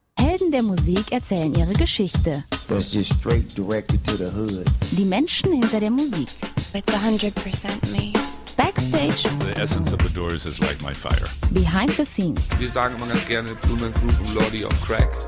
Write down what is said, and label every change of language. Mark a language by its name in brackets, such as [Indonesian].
[German] Helden der Musik erzählen ihre Geschichte. [English] That's just straight directed to the hood. [German] Die Menschen hinter der Musik. [English] It's 100% me. Backstage. The essence of the Doors is like my fire. Behind the scenes. [German] Wir sagen immer ganz gerne Blumen, Group und Lordy on Crack.